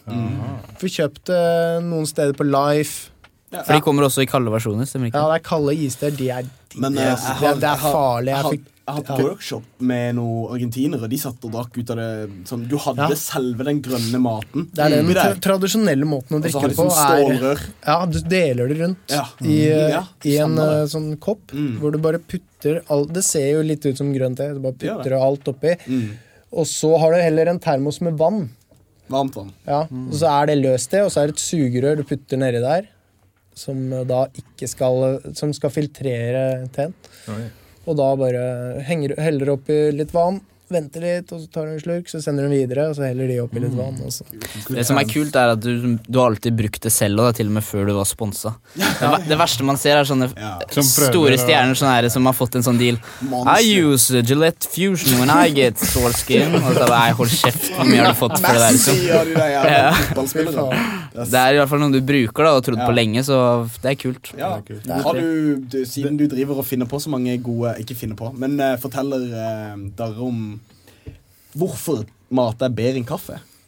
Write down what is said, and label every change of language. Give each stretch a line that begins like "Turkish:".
Norwegian: Du får kjøpt det noen steder på Life. For de kommer også i kalde versjoner, stemmer ikke? Ja, det er kalde ister, det er farlig. Jeg hadde workshop med noen argentinere. De satt og drakk ut av det sånn, du hadde selve den grønne maten. Det er den tradisjonelle måten å drikke på. Og så har de sånn stålrør. Ja, du deler det rundt i en sånn kopp hvor du bare putter alt. Det ser jo litt ut som grønt det. Du bare putter alt oppi. Og så har du heller en termos med vann. Varmt vann. Ja, og så er det løst det. Og så er det et sugerør du putter nedi der, som da ikke skal, som skal filtrere teen. Og da bare heller opp i litt vann, venter litt, og så tar du en slurk, så sender du den videre, og så heller de opp i litt vann. Også. Det som er kult er at du har alltid brukt det selv, og det til og med før du var sponsa. Det verste man ser er sånne store stjerner sånne her, som har fått en sånn deal.
English: Monster. I use Gillette Fusion when I get sore skin.
Norwegian: Og så bare, hold kjeft, hva mye har du fått for det der? Liksom. Det er i hvert fall noe du bruker da, og trodde på lenge, så det er kult. Ja. Har du, siden du driver og finner på så mange gode, ikke finner på, men forteller dere om hvorfor mat er bedre enn kaffe?